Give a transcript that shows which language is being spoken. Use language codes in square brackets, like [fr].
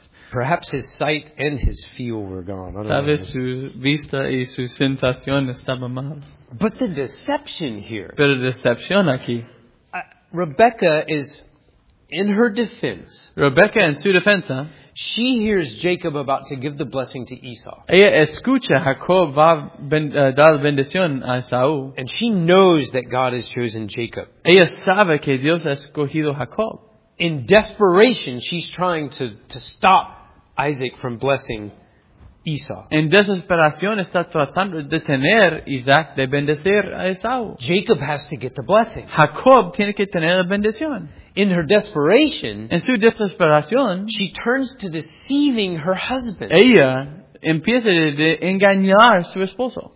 [en] Perhaps his sight and his feel were gone. [es] Tal vez su vista y su sensación estaba mal. [en] But the deception here. [es] Pero decepción aquí. [en] Rebecca is in her defense. [es] Rebecca en su defensa. [en] She hears Jacob about to give the blessing to Esau. [es] Ella escucha Jacob va dar bendición a Esau. [en] And she knows that God has chosen Jacob. [es] Ella sabe que Dios ha escogido Jacob. [en] In desperation, she's trying to stop Isaac from blessing Esau. [es] En desesperación, está tratando de detener Isaac de bendecir a Esau. [en] Jacob has to get the blessing. [es] Jacob tiene que tener la bendición. [en] In her desperation, [es] en su desesperación, [en] she turns to deceiving her husband. [es] Ella empieza de engañar su esposo.